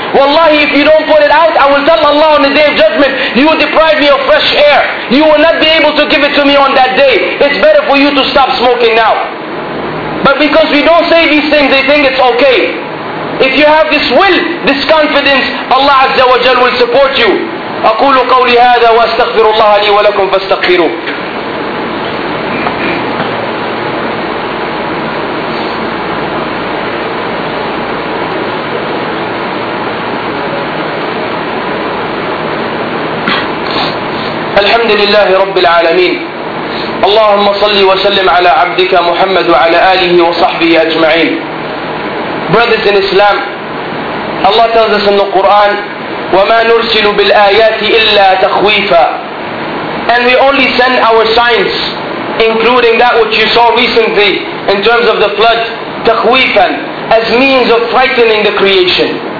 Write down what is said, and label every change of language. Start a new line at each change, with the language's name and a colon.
English: Wallahi, if you don't put it out, I will tell Allah on the day of judgment, you will deprive me of fresh air. You will not be able to give it to me on that day. It's better for you to stop smoking now. But because we don't say these things, they think it's okay. If you have this will, this confidence, Allah Azza wa Jal will support you.
Arabic: أقول قولي هذا وأستغفر الله لي ولكم فاستغفروه. الحمد لله رب العالمين. اللهم صل وسلم على عبدك محمد وعلى آله وصحبه أجمعين.
English: Brothers in Islam, Allah tells us in the Quran,
Arabic: وما نرسل بالآيات إلا تخويفا.
English: And we only send our signs, including that which you saw recently in terms of the flood, تخويفا, as means of frightening the creation.